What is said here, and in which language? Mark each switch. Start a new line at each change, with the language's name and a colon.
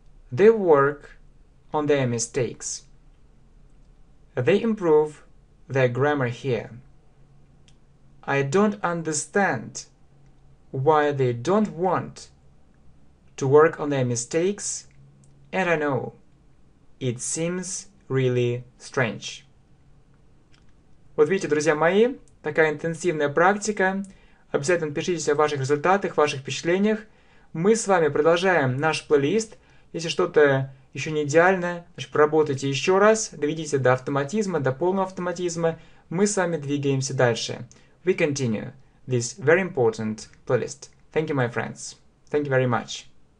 English: They work on their mistakes. They improve their grammar here. I don't understand why they don't want to work on their mistakes, and I know it seems really strange.
Russian: Вот видите, друзья мои, такая интенсивная практика. Обязательно напишите о ваших результатах, ваших впечатлениях. Мы с вами продолжаем наш плейлист. Если что-то еще не идеально, значит, поработайте еще раз, доведите до автоматизма, до полного автоматизма. Мы с вами двигаемся дальше.
English: We continue this very important playlist. Thank you, my friends. Thank you very much.